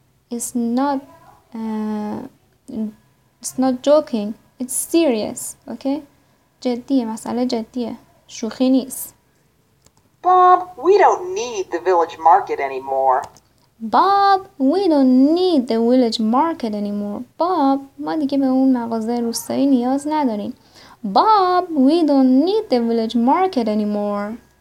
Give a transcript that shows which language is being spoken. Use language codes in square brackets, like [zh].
[en] It's not joking. It's serious, okay? [fa] جدیه، مسئله جدیه. شوخی نیست. [en] Bob, we don't need the village market anymore. Bob, we don't need the village market anymore. [fa] Bob, ما دیگه به اون مغازه روستایی نیاز نداریم. [en] Bob, we don't need the village market anymore.